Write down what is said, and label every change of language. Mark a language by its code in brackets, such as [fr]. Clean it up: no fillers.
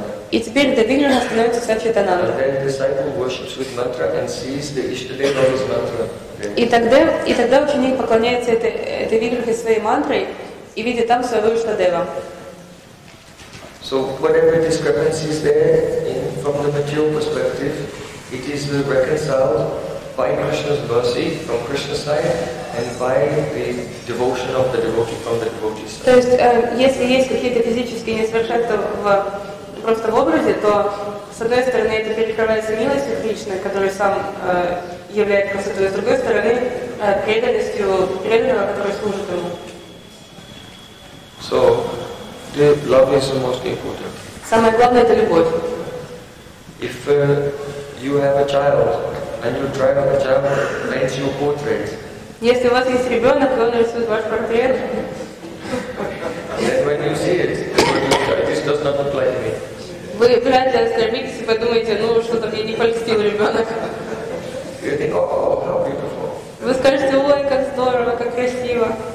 [ru] И теперь эта виграха становится сачидананда. [en] And then the disciple worships with mantra and sees the ishtadeva of his mantra. [ru] И тогда ученик поклоняется этой виграхе своей мантрой и видит там своего ишнадева. [en] So whatever discrepancy is there from the material perspective, it is reconciled by Krishna's mercy from Krishna's side and by the devotion of the devotee from the devotee's side. [ru] То есть, если есть какие-то физические несовершенства просто в образе, то с одной стороны это перекрывается милостью Кришны, который сам являет красотой, с другой стороны преданностью преданного, который служит ему. [en] So, the love is the most important. [ru] Самое главное — это любовь. [en] If you have a child and you drive a child, paint your portrait. [ru] Если у вас есть ребенок, он рисует ваш портрет. [en] And then when you see it, this does not apply to me. [ru] Вы вряд ли оскорбитесь и подумаете, ну что-то мне не польстил ребенок. [en] You think, oh, how beautiful. [ru] Вы скажете, ой, как здорово, как красиво.